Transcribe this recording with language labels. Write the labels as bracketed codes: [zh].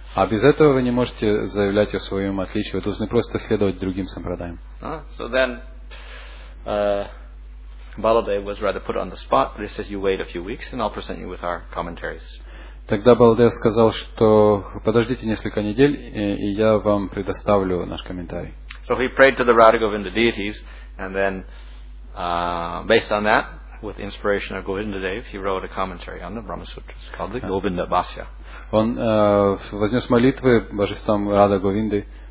[ru] А без этого вы не можете заявлять о своем отличии. Вы должны просто следовать другим сампрадаям. [en] So then, Baladev was rather put on the spot, but he says, "You wait a few weeks, and I'll present you with our commentaries." [ru] Тогда Баладев сказал, что подождите несколько недель, и я вам предоставлю наш комментарий. [en] So he prayed to the Radha Govinda deities, and then, based on that, with inspiration of Govinda Dev, he wrote a commentary on the Brahma Sutras called the Govinda Bhasya. [ru] Он вознес молитвы божествам Радха Говинды,